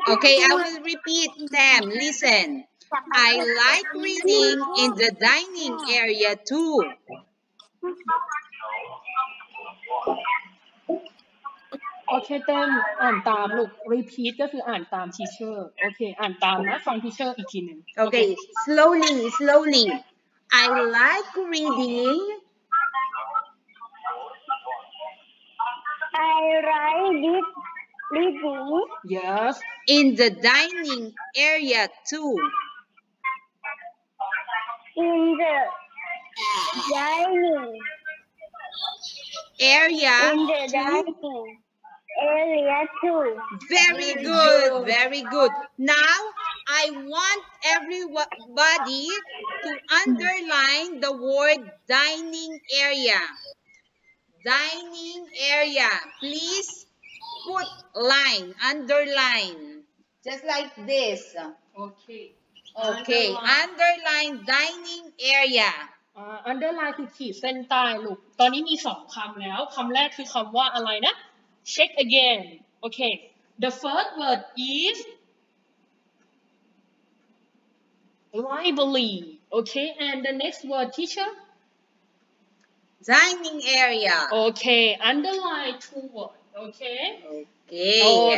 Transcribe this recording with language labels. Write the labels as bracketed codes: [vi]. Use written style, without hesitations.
[en] Okay, I will repeat them. Listen. I like reading in the dining area too. Okay, then [th] tam look, [en] repeat [th] ก็คืออ่านตาม [en] teacher. [th] Okay, อ่านตามนะฟัง teacher อีกทีนึง. [en] Okay, slowly, slowly. I like reading. I like reading. Yes. In the dining area too. In the dining area. In the dining area too. Very good. Very good. Now I want everybody to underline the word dining area. Dining area, please put line, underline, just like this. Okay. Okay, underline, underline dining area. [th] Underline คือขีดเส้นใต้ลูกตอนนี้มี2คำแล้วคำแรกคือคำว่าอะไรนะ [en] check again. Okay, the first word is library. Okay, and the next word teacher? Dining area. Okay, underline two words. Okay. Okay.